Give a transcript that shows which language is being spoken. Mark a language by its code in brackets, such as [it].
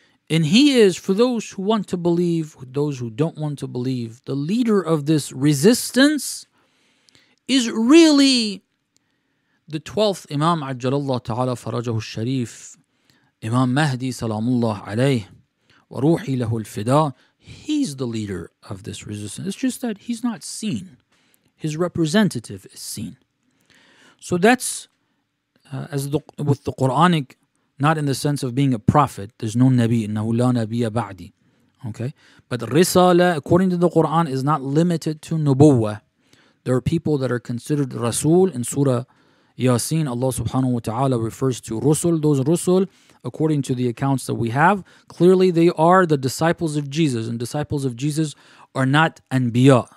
[en] And he is, for those who want to believe, those who don't want to believe, the leader of this resistance is really the 12th Imam, Ajjalallah Ta'ala Farajahu Sharif, Imam Mahdi Salamullah Alayhi. [ar] وَرُوحِ لَهُ الْفِدَىٰ. [en] He's the leader of this resistance. It's just that he's not seen. His representative is seen. So that's, with the Qur'anic, not in the sense of being a prophet. There's no Nabi, [ar] إِنَّهُ لَا نَبِيَ بَعْدِ. [en] Okay? But Risala, according to the Qur'an, is not limited to Nubuwwah. There are people that are considered Rasul. In Surah Yasin, Allah subhanahu wa ta'ala refers to Rusul, those Rusul, according to the accounts that we have, clearly they are the disciples of Jesus, and disciples of Jesus are not Anbiya.